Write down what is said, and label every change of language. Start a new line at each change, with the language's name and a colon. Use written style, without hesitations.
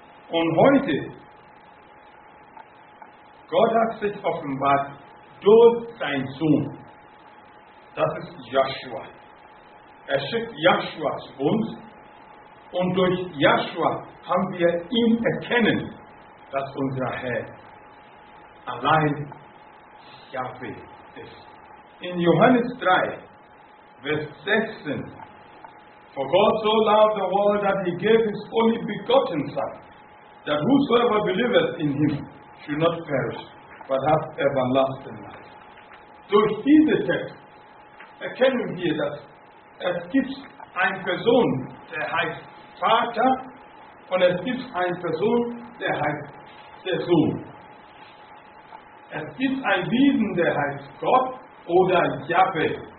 German: Und heute, Gott hat sich offenbart durch seinen Sohn. Das ist Joshua. Er schickt Joshua zu uns und durch Joshua haben wir ihn erkennen, dass unser Herr allein Yahweh ist. In Johannes 3, Vers 16,
English: For God so loved the world that he gave his only begotten Son, that whosoever believeth in him should not perish, but have everlasting life.
German: Durch diese Text erkennen wir, dass es gibt eine Person, der heißt Vater, und es gibt eine Person, der heißt der Sohn. Es gibt ein Wesen, der heißt Gott oder Yahweh.